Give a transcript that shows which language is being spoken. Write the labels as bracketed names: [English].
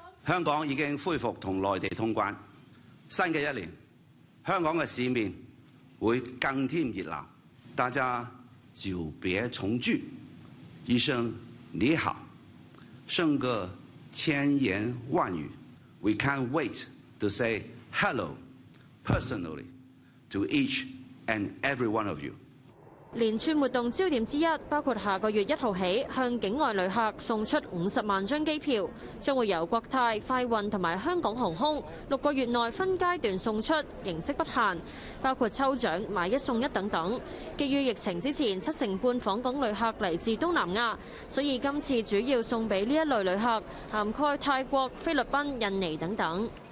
[Chinese] 香港已经恢复和内地通关，新的一年香港的市面会更添热闹，大家久别重聚，一声你好胜个千言万语。 [English] We can't wait to say hello personally to each and every one of you。 [Chinese] 连串活动焦点之一包括下个月1号起向境外旅客送出50万张机票，将会由国泰、快运和香港航空6个月内分阶段送出，形式不限，包括抽奖、买一送一等等。基于疫情之前75%访港旅客来自东南亚，所以今次主要送给这一类旅客，涵盖泰国、菲律宾、印尼等等。